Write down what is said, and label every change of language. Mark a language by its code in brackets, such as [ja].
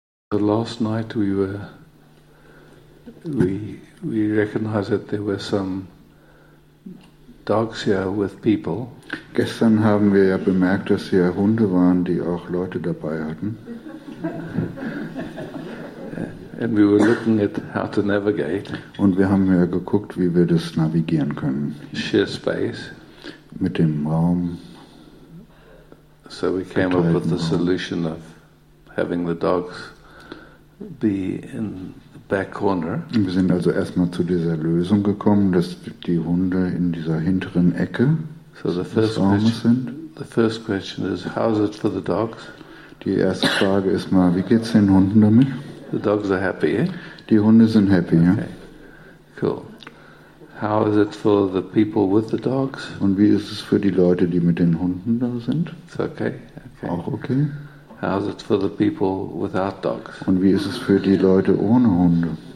[en] The last night we recognized that there were some dogs here with people. [de] Gestern haben wir ja bemerkt, dass hier Hunde waren, die auch Leute dabei hatten. [en] And we were looking at how to navigate. [de] Und wir haben ja geguckt, wie wir das navigieren können. [en] Share space. [de] Mit dem Raum. [en] So we came up with the solution of having the dogs be in the back corner. [de] Wir sind also erstmal zu dieser Lösung gekommen, dass die Hunde in dieser hinteren Ecke des Raumes sind. [en] The first question is, how is it for the dogs? [de] Die erste Frage ist mal, wie geht's den Hunden damit? [en] The dogs are happy, eh? [de] Die Hunde sind happy, [en] okay. [de] Ja. [en] Cool. How is it for the people with the dogs? [de] Und wie ist es für die Leute, die mit den Hunden da sind? [en] It's okay. Okay. [de] Auch okay. [en] How is it for the people without dogs? [de] Und wie ist es für die Leute ohne Hunde?